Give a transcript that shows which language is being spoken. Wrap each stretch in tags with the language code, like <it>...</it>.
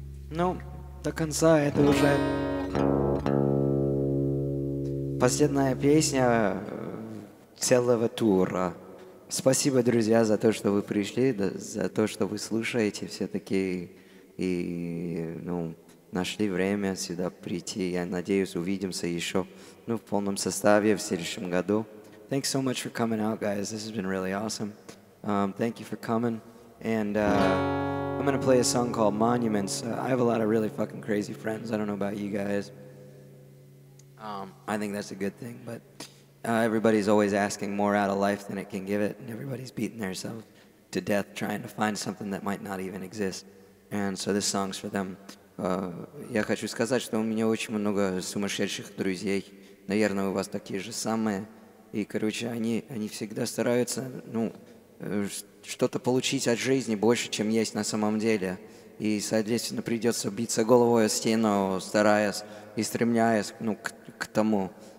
<ru>Ну, до конца это уже последняя песня целого тура. Спасибо, друзья, за то, что вы пришли, за то, что вы слушаете все-таки и ну, нашли время сюда прийти. Я надеюсь, увидимся еще ну, в полном составе в следующем году.</ru> <en>Thanks so much for coming out, guys. This has been really awesome. Thank you for coming. And I'm going to play a song called Monuments. I have a lot of really fucking crazy friends. I don't know about you guys. I think that's a good thing, but everybody's always asking more out of life than it can give it, and everybody's beating themselves to death trying to find something that might not even exist. And so this song's for them.</en> <ru>Я хочу сказать, что у меня очень много сумасшедших друзей. Наверное, у вас такие же самые. И, короче, они всегда стараются, ну, что-то получить от жизни больше, чем есть на самом деле. И, соответственно, придется биться головой о стену, стараясь и стремляясь, ну, к тому.</ru>